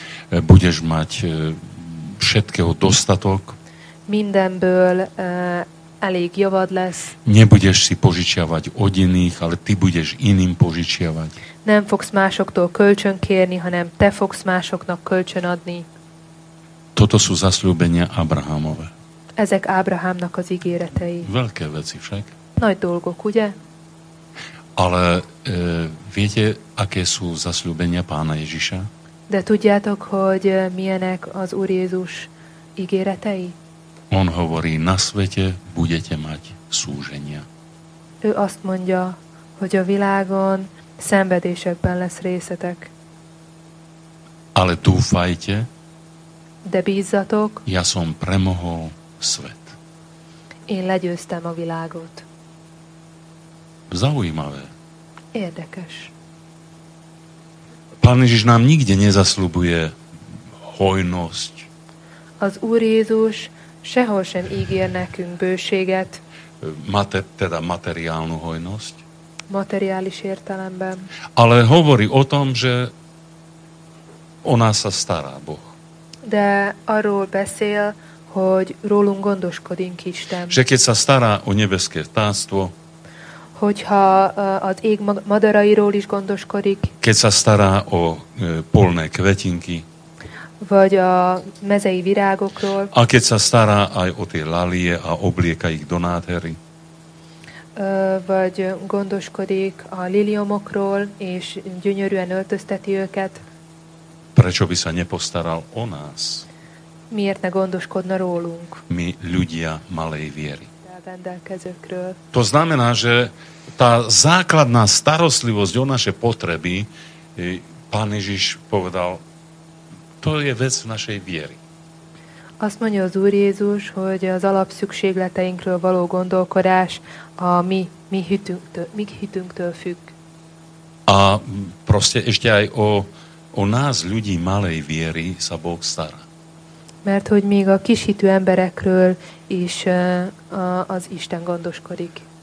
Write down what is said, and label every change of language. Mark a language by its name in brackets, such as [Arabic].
[Slovak] Budeš mať všetkého dostatok. [Hungarian] Mindenből elég javad lesz. [Slovak] Nebudeš si požičiavať od iných, ale ty budeš iným požičiavať. [Hungarian] Nem fogsz másoktól kölcsön kérni, hanem te fogsz másoknak kölcsön adni. [Slovak] Toto sú zasľúbenia Abrahámové. [Hungarian] Ezek Abrahámnak az ígéretei. [Slovak] Veľké veci však. [Hungarian] Nagy dolgok, ugye? [Slovak] Ale viete, aké sú zasľúbenia Pána Ježiša? [Hungarian] De tudjátok, hogy milyenek az Úr Jézus ígéretei? [Slovak] On hovorí, na svete budete mať súženia. [Hungarian] Ő azt mondja, hogy a világon szenvedésekben lesz részetek. [Slovak] Ale dúfajte. [Hungarian] De bízzatok. [Slovak] Ja som premohol svet. [Hungarian] Én legyőztem a világot. [Slovak] Zaujímavé. [Hungarian] Érdekes. [Slovak] Pán Ježiš nám nikde nezasľubuje hojnosť. [Hungarian] Az Úr Jézus sehol sem ígér nekünk bőséget. [Slovak] Teda materiálnu hojnosť. [Hungarian] Materiális értelemben. [Slovak] Ale hovorí o tom, že o nás sa stará Boh. [Hungarian] De arról beszél, hogy rólunk gondoskodik Isten. [Slovak] Že keď sa stará o nebeské vtáctvo, [Hungarian] hogyha az ég madarairól is gondoskodik. [Slovak] Keď sa stará o polné kvetinky. [Hungarian] vagy a mezei virágokról. [Slovak] A keď sa stará aj o tie lalie a oblieka ich do nádhery. [Hungarian] Vagy gondoskodik a liliomokról, és gyönyörűen öltözteti őket. [Slovak] Prečo by sa nepostaral o nás? [Hungarian] Miért ne gondoskodna rólunk? [Slovak] Mi ľudia malej viery. [Hungarian] Rendelkezőkről. [Slovak] To znamená, že tá základná starostlivosť o naše potreby, pán Ježiš povedal, to je vec našej viery. [Hungarian] Azt mondja az Úr Jézus, hogy az alapszükségleteinkről való gondolkodás a mi hitünktől függ. [Slovak] A proste ešte aj o nás ľudí malej viery sa Boh stará. [Hungarian] Mert hogy még a kis hitű emberekről is az Isten gondoskodik.